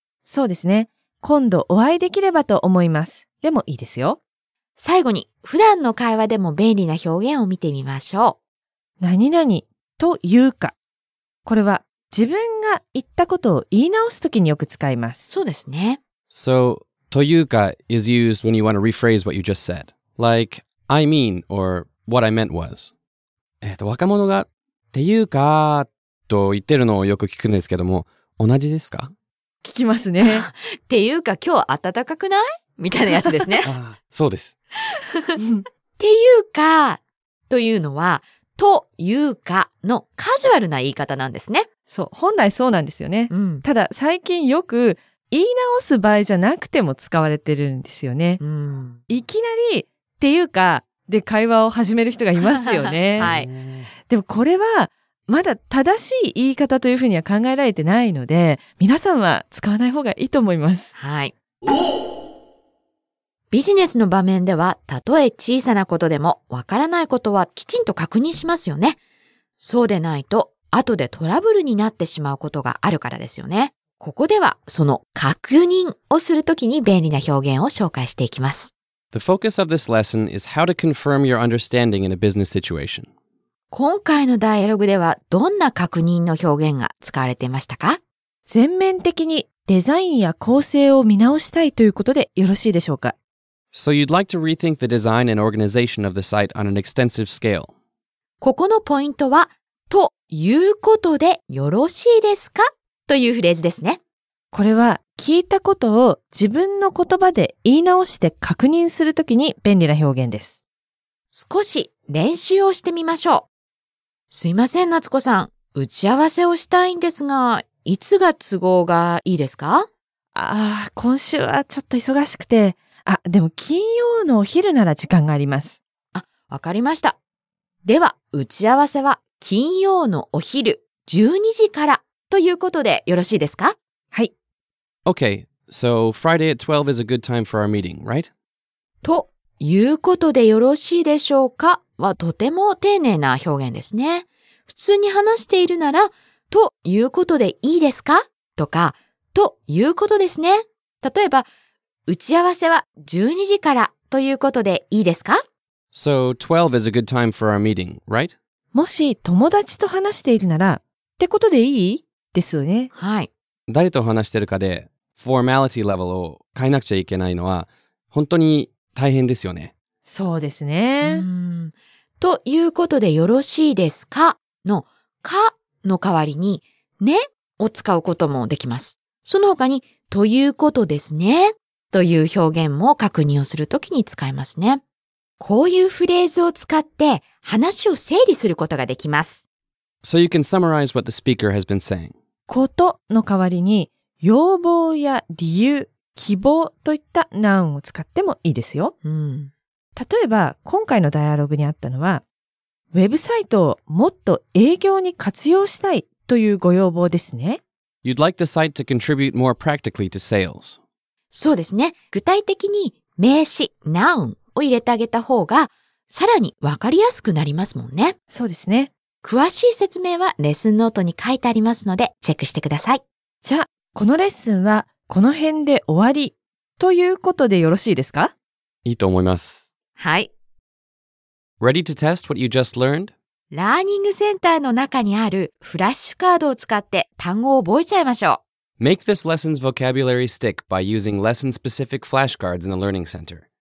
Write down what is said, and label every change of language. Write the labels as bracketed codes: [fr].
[ja] そうですね。今度お会いできればと思います。でもいいですよ。最後に、普段の会話でも便利な表現を見てみましょう。何々というか、これは、自分が言ったことを言い直すときによく使います。そうですね。 [en] So, [ja] というか [en] is used when you want to rephrase what you just said. Like, I mean, or what I meant was. [ja] 若者が、というかと言ってるのをよく聞くんですけども、同じですか？聞きますね。というか今日暖かくない？みたいなやつですね。あ、そうです。というかというのは、というかのカジュアルな言い方なんですね。そう、本来そうなんですよね、うん、ただ最近よく言い直す場合じゃなくても使われてるんですよね、うん、いきなりっていうかで会話を始める人がいますよね。はい。でもこれはまだ正しい言い方というふうには考えられてないので、皆さんは使わない方がいいと思います。はい。ビジネスの場面では、たとえ小さなことでもわからないことはきちんと確認しますよね。そうでないと後でトラブルになってしまうことがあるからですよね。ここではその確認をするときに便利な表現を紹介していきます。 [en] The focus of this lesson is how to confirm your understanding in a business situation. [ja] 今回のダイアログではどんな確認の表現が使われていましたか？全面的にデザインや構成を見直したいということでよろしいでしょうか？ [en] So you'd like to rethink the design and organization of the site on an extensive scale. [ja] ここのポイントは、ということでよろしいですかというフレーズですね。これは聞いたことを自分の言葉で言い直して確認するときに便利な表現です。少し練習をしてみましょう。すいません、夏子さん。打ち合わせをしたいんですが、いつが都合がいいですか？ああ、今週はちょっと忙しくて。あ、でも金曜のお昼なら時間があります。あ、わかりました。では、打ち合わせは金曜のお昼12時からということでよろしいですか？はい。 [en] Okay, so Friday at 12 is a good time for our meeting, right? [ja] ということでよろしいでしょうかはとても丁寧な表現ですね。普通に話しているなら、ということでいいですか? とか、ということですね。例えば、打ち合わせは12時からということでいいですか? [en] So, 12 is a good time for our meeting, right? [ja] もし友達と話しているなら、ってことでいい? ですよね。はい。誰と話してるかで、 [en] formality level [ja] を変えなくちゃいけないのは、本当に大変ですよね。そうですね。ということでよろしいですか?の、かの代わりに、ねを使うこともできます。その他に、ということですね。という表現も確認をするときに使えますね。こういうフレーズを使って話を整理することができます。 [en] So you can summarize what the speaker has been saying. [ja] ことの代わりに要望や理由、希望といった noun を使ってもいいですよ。例えば今回のダイアログにあったのは、ウェブサイトをもっと営業に活用したいというご要望ですね。 [en] You'd like the site to contribute more practically to sales. [ja] そうですね。具体的に名詞 noun を入れてあげた方がさらにわかりやすくなりますもんね。そうですね。詳しい説明はレッスンノートに書いてありますのでチェックしてください。じゃあこのレッスンはこの辺で終わりということでよろしいですか? いいと思います。はい。 [en] Ready to test what you just learned? [ja] ラーニングセンターの中にあるフラッシュカードを使って単語を覚えちゃいましょう。 [en] Make this lesson's vocabulary stick by using lesson-specific flashcards in the Learning Center.